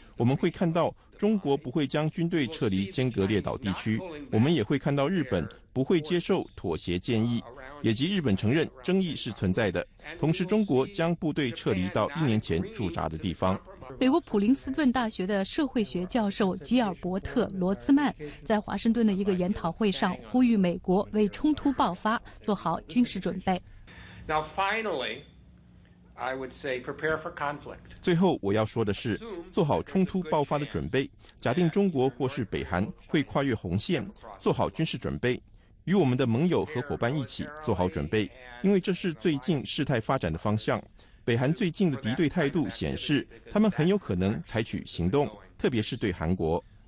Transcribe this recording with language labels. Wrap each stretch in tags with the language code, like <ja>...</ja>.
<zh>我们会看到中国不会将军队撤离尖阁列岛地区，我们也会看到日本不会接受妥协建议，也即日本承认争议是存在的，同时中国将部队撤离到1年前驻扎的地方。美国普林斯顿大学的社会学教授吉尔伯特·罗兹曼在华盛顿的一个研讨会上呼吁美国为冲突爆发做好军事准备。</zh> <en>Now, finally, I would say prepare for conflict.</en> <zh>最后我要说的是，做好冲突爆发的准备，假定中国或是北韩会跨越红线，做好军事准备，与我们的盟友和伙伴一起做好准备，因为这是最近事态发展的方向。北韩最近的敌对态度显示，他们很有可能采取行动，特别是对韩国。</zh>